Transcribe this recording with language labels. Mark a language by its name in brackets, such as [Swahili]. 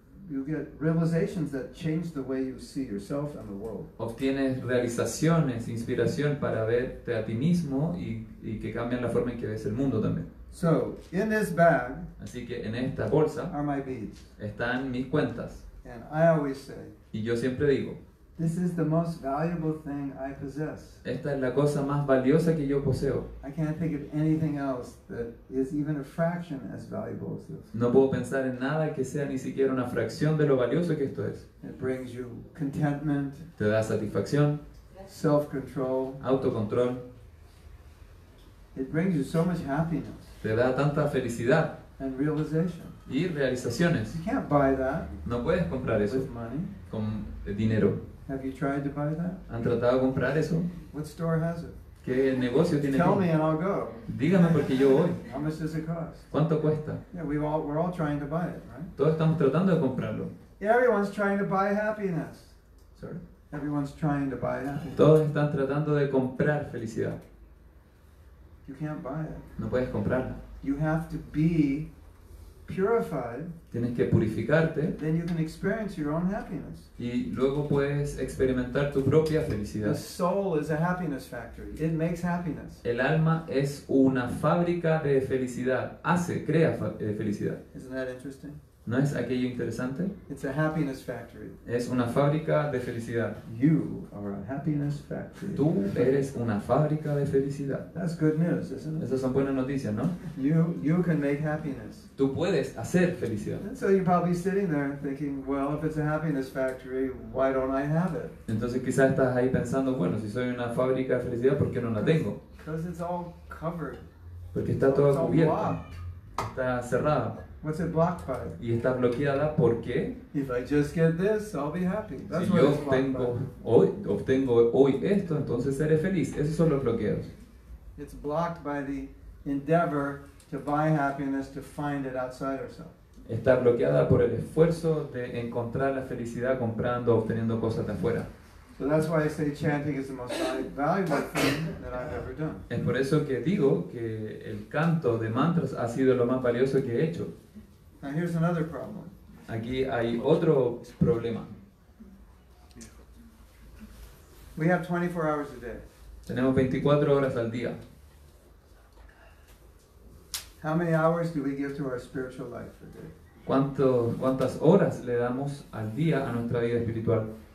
[English] You get realizations that change the way you see yourself and the world. [Spanish] Obtienes realizaciones, inspiración para verte a ti mismo y que cambian la forma en que ves el mundo también. [English] So in this bag. [Spanish] Así que en esta bolsa. [English] Are my beads. [Spanish] Están mis cuentas. [English] And I always say. [Spanish] Y yo siempre digo, [English] this is the most valuable thing I possess. [Spanish] Esta es la cosa más valiosa que yo poseo. [English] I can't think of anything else that is even a fraction as valuable as this. [Spanish] No puedo pensar en nada que sea ni siquiera una fracción de lo valioso que esto es. [English] It brings you contentment. [Spanish] Te da satisfacción. [English] Self-control. [Spanish] Autocontrol. [English] It brings you so much happiness. [Spanish] Te da tanta felicidad. [English] And realization. [Spanish] Y realizaciones. [English] You can't buy that. [Spanish] No puedes comprar eso [English] with money. [Spanish] Con dinero. [English] Have you tried to buy that? [Spanish] ¿Han tratado de comprar eso? [English] What store has it? [Spanish] ¿Qué negocio tiene? [English] Tell me and I'll go. [Spanish] Dígame porque yo voy. [English] How much does it cost? [Spanish] ¿Cuánto cuesta? [English] Yeah, we're all trying to buy it, right? [Spanish] Todos estamos tratando de comprarlo. [English] Everyone's trying to buy happiness. Sorry. Everyone's trying to buy happiness. [Spanish] Todos están tratando de comprar felicidad. [English] You can't buy it. [Spanish] No puedes comprarla. [English] You have to be purified, [Spanish] tienes que purificarte, [English] then you can experience your own happiness. [Spanish] Y luego puedes experimentar tu propia felicidad. [English] The soul is a happiness factory. It makes happiness. [Spanish] El alma es una fábrica de felicidad. Hace, crea felicidad. [English] Isn't that interesting? [Spanish] No es aquello interesante. [English] It's a happiness factory. [Spanish] Es una fábrica de felicidad. [English] You are a happiness factory. [Spanish] Tú eres una fábrica de felicidad. [English] That's good news, isn't it? [Spanish] Esas son buenas noticias, ¿no? [English] You can make happiness. [Spanish] Tú puedes hacer felicidad. [English] And so you're probably sitting there thinking, well, if it's a happiness factory, why don't I have it? [Spanish] Entonces quizás estás ahí pensando, bueno, si soy una fábrica de felicidad, ¿por qué no la tengo? [English] Because it's all covered. [Spanish] Porque está todo cubierto. Está cerrada. [English] What's it blocked by? [Spanish] Y está bloqueada porque [English] if I just get this, I'll be happy. That's [Spanish] si yo obtengo hoy esto, entonces seré feliz. Esos son los bloqueos. [English] It's blocked by the endeavor to buy happiness to find it outside ourselves. [Spanish] Está bloqueada por el esfuerzo de encontrar la felicidad comprando, obteniendo cosas de afuera. [English] So that's why I say chanting is the most valuable thing that I've ever done. [Spanish] Es por eso que digo que el canto de mantras ha sido lo más valioso que he hecho. [English] Now here's another problem. [Spanish] Aquí hay otro problema. [English] We have 24 hours a day. [Spanish] Tenemos 24 horas al día. [English] How many hours do we give to our spiritual life a day? [Spanish] ¿Cuántas horas le damos al día a nuestra vida espiritual?